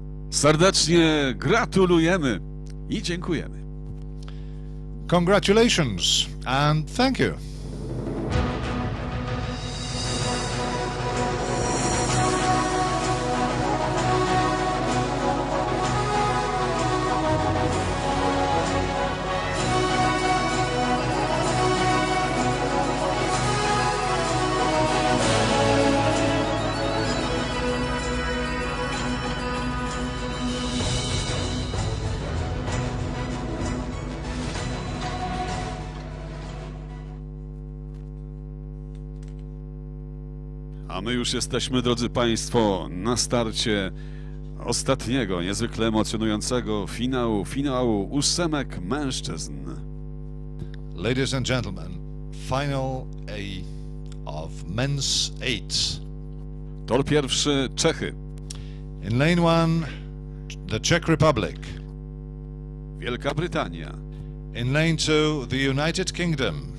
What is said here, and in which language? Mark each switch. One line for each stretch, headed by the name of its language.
Polish: Serdecznie gratulujemy i dziękujemy.
English: Congratulations and thank you.
Polish: my już jesteśmy, drodzy Państwo, na starcie ostatniego, niezwykle emocjonującego finału ósemek mężczyzn.
English: Ladies and gentlemen, final A of men's eight.
Polish: Tor pierwszy, Czechy.
English: In lane one, the Czech Republic.
Polish: Wielka Brytania.
English: In lane two, the United Kingdom.